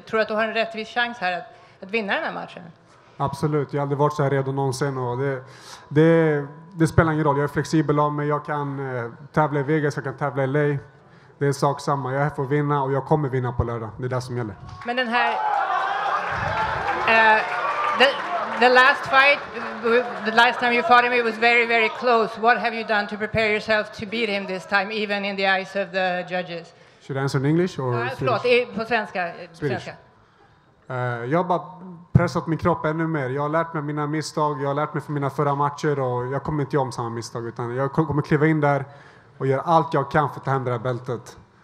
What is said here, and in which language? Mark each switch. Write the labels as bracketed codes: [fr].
[sv] Tror du att du har en rättvis chans här att vinna den här matchen? Absolut. Jag har aldrig varit så här redo någonsin. Och det spelar ingen roll. Jag är flexibel av mig. Jag kan tävla i Vegas, jag kan tävla i LA. Det är sak samma. Jag är här för att vinna och jag kommer vinna på lördag. Det är det som gäller. Men den här... [en] The last fight, the last time you fought him, it was very, very close. What have you done to prepare yourself to beat him this time, even in the eyes of the judges? Should I answer in English or Swedish? [sv] Jag har bara pressat min kropp ännu mer. Jag har lärt mig mina misstag. Jag har lärt mig från mina förra matcher. Och jag kommer inte göra om samma misstag. Utan jag kommer kliva in där och göra allt jag kan för att ta hem det här bältet.